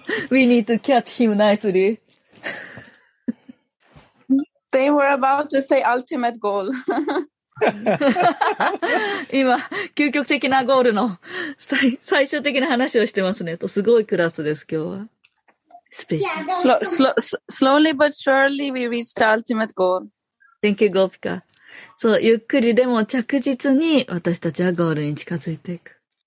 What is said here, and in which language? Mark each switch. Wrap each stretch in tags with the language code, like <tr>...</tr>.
<en>We need to catch him nicely. They were about to say ultimate goal.</en> <ja>今、究極的なゴールの最終的な話をしてますねと、すごいクラスです、今日は。</ja> <en>Slowly but surely we reach the ultimate goal. Thank you, Gopika.</en> <ja>So, ゆっくりでも着実に私たちはゴールに近づいていく。</ja>